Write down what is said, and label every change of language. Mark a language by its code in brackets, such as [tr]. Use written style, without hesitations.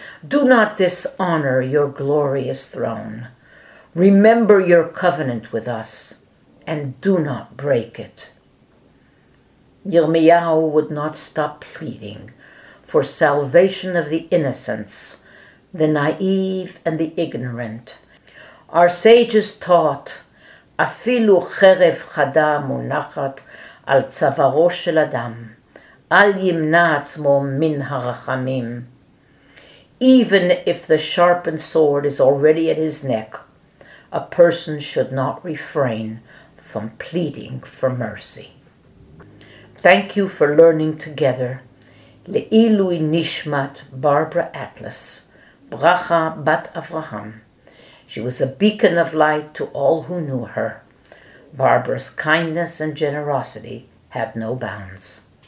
[en] Do not dishonor your glorious throne. Remember your covenant with us and do not break it. Yirmiyahu would not stop pleading for salvation of the innocents, the naive and the ignorant. Our sages taught, [he] אפילו חרב חדה מונחת על צווארו של אדם, אל ימנע עצמו מן הרחמים. [en] Even if the sharpened sword is already at his neck, a person should not refrain from pleading for mercy. Thank you for learning together. [he] לעילוי נשמת ברברה אטלס, ברכה בת אברהם. [en] She was a beacon of light to all who knew her. Barbara's kindness and generosity had no bounds.